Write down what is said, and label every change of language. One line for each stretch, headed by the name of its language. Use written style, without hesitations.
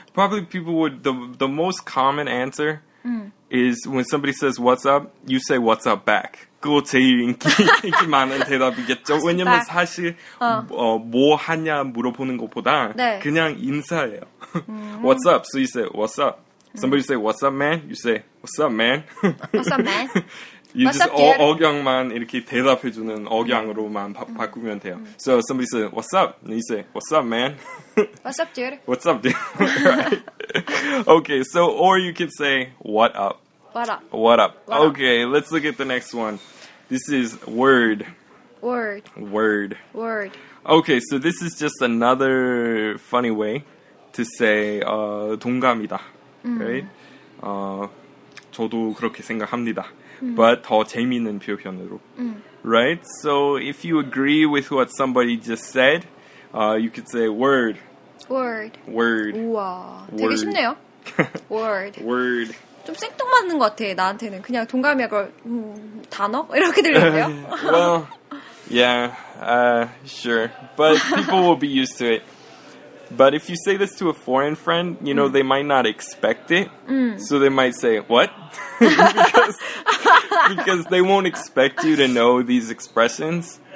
English: Probably people would the most common answer is when somebody says what's up, you say what's up back.
Korean: 그거 제일 인기 많은 대답이겠죠. 왜냐면 사실 뭐 하냐 물어보는 것보다 네. 그냥 인사예요.
English: What's up? So you say, what's up? Somebody say, what's up, man? You say, what's up, man? What's up, man? You what's just up,
Korean: 억양만 이렇게 대답해주는 억양으로만 바꾸면 돼요.
English: So somebody say, what's up? And you say, what's up, man? What's up, dude? What's up, dude? Right. Okay, so or you can say, what up? What up? What up? What okay, up? Let's look at the next one. This is word. Word. Word. Word. Okay, so this is just another funny way to say
Korean: 동감이다.
English: Right?
Korean: 저도 그렇게 생각합니다. But 더 재미있는 표현으로. Right?
English: So if you agree with what somebody just said, you could say word. Word. Word.
Korean: 우와, word. 되게 쉽네요. Word.
English: Word.
Korean: 좀 생뚱맞는 것 같아 나한테는 그냥 동감이야 그걸 단어 이렇게 들리는데요?
English: Well, yeah, sure. But people will be used to it. But if you say this to a foreign friend, you know, they might not expect it. So they might say, what? because they won't expect you to know these expressions.